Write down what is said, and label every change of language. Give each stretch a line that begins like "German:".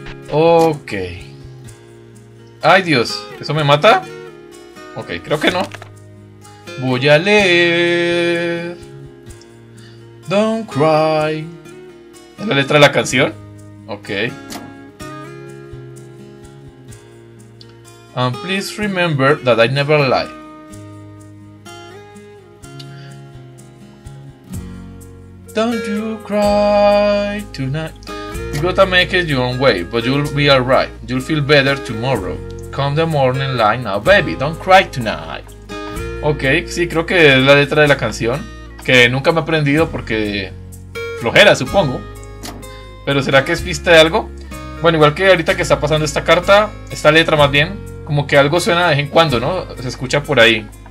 Spanish: Ok. Ay, Dios, ¿eso me mata? Ok, creo que no. Voy a leer.
English: Don't cry.
Spanish: ¿Es la letra de la canción? Ok.
English: And please remember that I never lie. Don't you cry tonight. You gotta make it your own way, but you'll be alright. You'll feel better tomorrow. Come the morning light now, baby. Don't cry tonight.
Spanish: Ok, sí, creo que es la letra de la canción. Que nunca me he aprendido porque flojera, supongo. Pero ¿será que es pista de algo? Bueno, igual que ahorita que está pasando esta carta, esta letra más bien, como que algo suena de vez en cuando, ¿no? Se escucha por ahí.